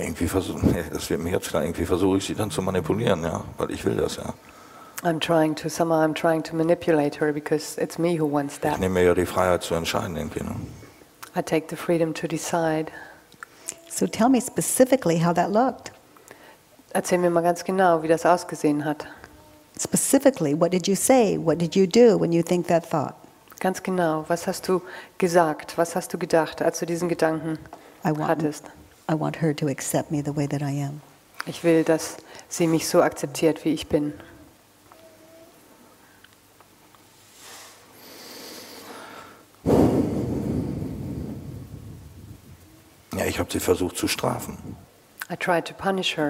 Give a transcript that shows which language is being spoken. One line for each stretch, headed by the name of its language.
German: Versuche ich sie dann zu manipulieren, ja, weil ich will das ja.
English: I'm trying to manipulate her because it's me who wants that.
German: Ich nehme mir ja die Freiheit zu entscheiden irgendwie, ne?
English: I take the freedom to decide. So tell me specifically how that looked.
German: Erzähl mir mal ganz genau, wie das ausgesehen hat.
English: Specifically, what did you say? What did you do when you think that thought?
German: Ganz genau, was hast du gesagt? Was hast du gedacht, als du diesen Gedanken hattest?
English: I want her to accept me the way that I am.
German: Ich will, dass sie mich so akzeptiert, wie ich bin. Ja, ich habe sie versucht zu strafen.
English: I tried to punish her.